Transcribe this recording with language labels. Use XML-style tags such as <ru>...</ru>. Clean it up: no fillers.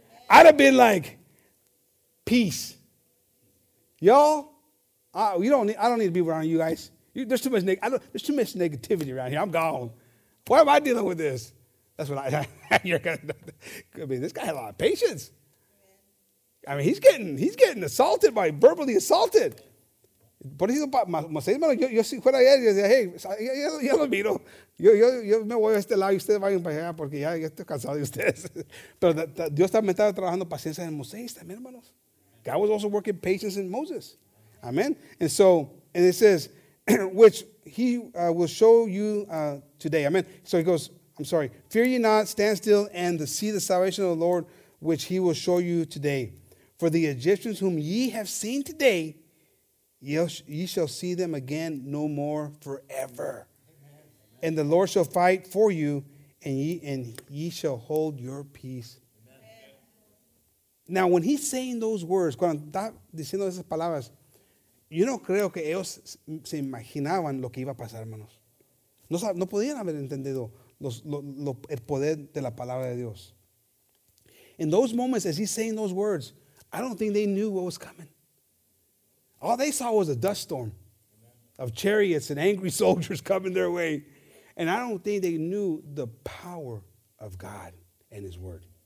<en>I'd have been like, peace. Y'all, I don't need to be around you guys. There's too much negativity around here. I'm gone. Why am I dealing with this? That's what this guy had a lot of patience. I mean, he's getting assaulted by verbally assaulted.</en> <es>Por eso, Moisés, yo si fuera allá, yo decía, hey, ya lo miro. Yo me voy a este lado y ustedes vayan para allá porque ya estoy cansado de ustedes. Pero Dios también estaba trabajando paciencia en Moisés también, hermanos.</es> <en>God was also working patience in Moses. Amen. And so, and it says, which he will show you today. Amen. So he goes, I'm sorry. Fear ye not, stand still, and to see the salvation of the Lord, which he will show you today. For the Egyptians whom ye have seen today, ye shall see them again no more forever. Amen. And the Lord shall fight for you, and ye shall hold your peace. Now, when he's saying those words,</en> <es>cuando está diciendo esas palabras, yo no creo que ellos se imaginaban lo que iba a pasar, hermanos. No podían haber entendido el poder de la palabra de Dios.</es> <en>In those moments, as he's saying those words, I don't think they knew what was coming. All they saw was a dust storm. of chariots and angry soldiers coming their way. And I don't think they knew the power of God and his word.</en>